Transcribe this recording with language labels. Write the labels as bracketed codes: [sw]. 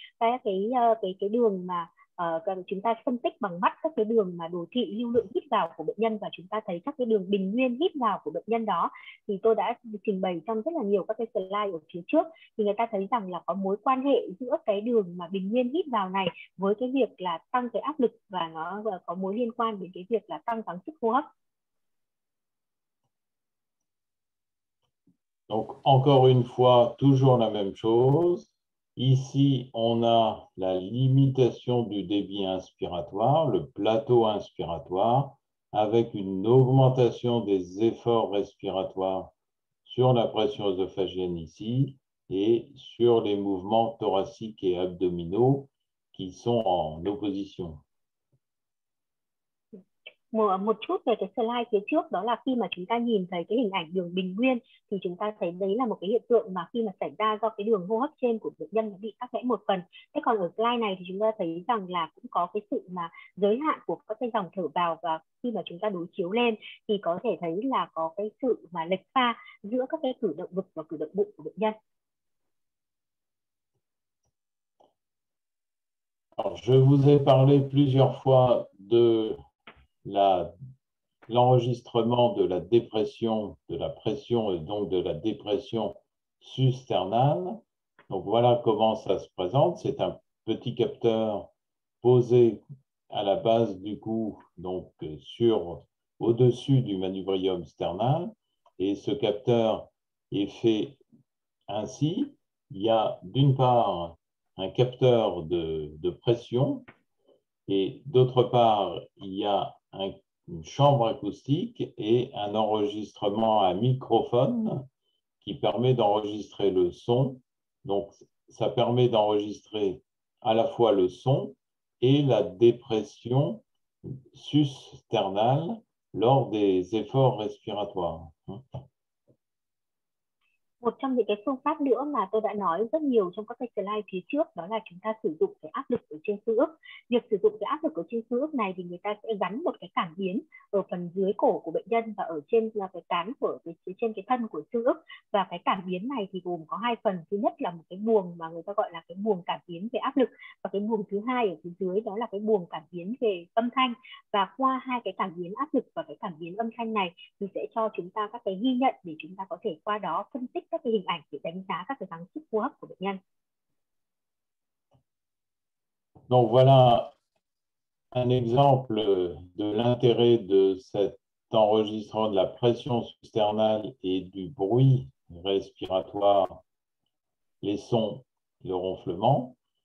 [vi] Cái đường mà chúng ta phân tích bằng mắt các cái đường mà đồ thị lưu lượng hít vào của bệnh nhân, và chúng ta thấy các cái đường bình nguyên hít vào của bệnh nhân đó thì tôi đã trình bày trong rất là nhiều các cái slide ở phía trước, thì người ta thấy rằng là có mối quan hệ giữa cái đường mà bình nguyên hít vào này với cái việc là tăng cái áp lực, và nó có mối liên quan đến cái việc là tăng gắng sức hô hấp. [fr] Donc encore une fois toujours la même chose. Ici, on a la limitation du débit inspiratoire, le plateau inspiratoire, avec une augmentation des efforts respiratoires sur la pression œsophagienne ici et sur les mouvements thoraciques et abdominaux qui sont en opposition. [vi] Một chút về cái slide phía trước, đó là khi mà chúng ta nhìn thấy cái hình ảnh đường bình nguyên thì chúng ta thấy đấy là một cái hiện tượng mà khi mà xảy ra do cái đường hô hấp trên của bệnh nhân bị tắc nghẽn một phần. Thế còn ở slide này thì chúng ta thấy rằng là cũng có cái sự mà giới hạn của các cái dòng thở vào, và khi mà chúng ta đối chiếu lên thì có thể thấy là có cái sự mà lệch pha giữa các cái cử động ngực và cử động bụng của bệnh nhân. [fr] Alors, je vous ai parlé plusieurs fois de l'enregistrement de la dépression, de la pression et donc de la dépression susternale. Donc voilà comment ça se présente. C'est un petit capteur posé à la base du cou, donc au-dessus du manubrium sternal. Et ce capteur est fait ainsi. Il y a d'une part un capteur de pression et d'autre part il y a une chambre acoustique et un enregistrement à microphone qui permet d'enregistrer le son. Donc ça permet d'enregistrer à la fois le son et la dépression susternale lors des efforts respiratoires. [vi] Một trong những cái phương pháp nữa mà tôi đã nói rất nhiều trong các cái slide phía trước, đó là chúng ta sử dụng cái áp lực ở trên xương ức. Việc sử dụng cái áp lực ở trên xương ức này thì người ta sẽ gắn một cái cảm biến ở phần dưới cổ của bệnh nhân và ở trên là cái cán của phía trên cái thân của xương ức. Và cái cảm biến này thì gồm có hai phần. Thứ nhất là một cái buồng mà người ta gọi là cái buồng cảm biến về áp lực, và cái buồng thứ hai ở phía dưới đó là cái buồng cảm biến về âm thanh. Và qua hai cái cảm biến áp lực và cái cảm biến âm thanh này thì sẽ cho chúng ta các cái ghi nhận để chúng ta có thể qua đó phân tích các cái hình ảnh để đánh giá các cái gắng sức hô hấp của bệnh nhân. [fr] Donc voilà un exemple de l'intérêt de cet enregistrement de la pression susternale et du bruit respiratoire, les sons, le ronflement.